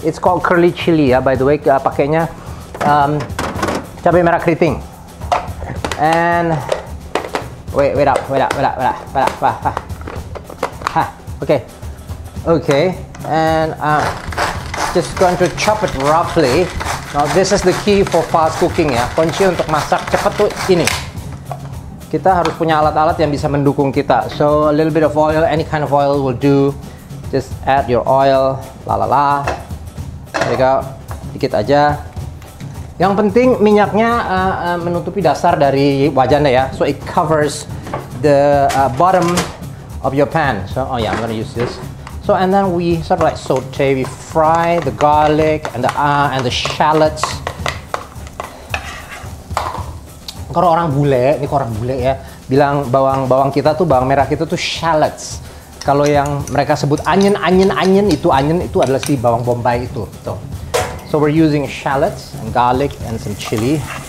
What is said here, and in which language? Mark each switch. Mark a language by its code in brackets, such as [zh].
[en] It's called curly chili ya, by the way, [id] pakainya cabai merah keriting. [en] And Okay. And just going to chop it roughly. Now this is the key for fast cooking ya. [id] Kunci untuk masak cepat tuh ini. Kita harus punya alat-alat yang bisa mendukung kita. [en] So, a little bit of oil, any kind of oil will do. Just add your oil, lalala. There you go, [id] sedikit aja. Yang penting minyaknya menutupi dasar dari wajannya ya. [en] So, it covers the bottom of your pan. So, oh yeah, I'm gonna use this. So, and then we sort of like saute, we fry the garlic and the shallots. [id] Kalau orang bule, ini kok orang bule ya, bilang bawang-bawang kita tuh, bawang merah kita tuh shallots. Kalau yang mereka sebut onion itu adalah si bawang bombay itu. Tuh. [en] So we're using shallots and garlic and some chili.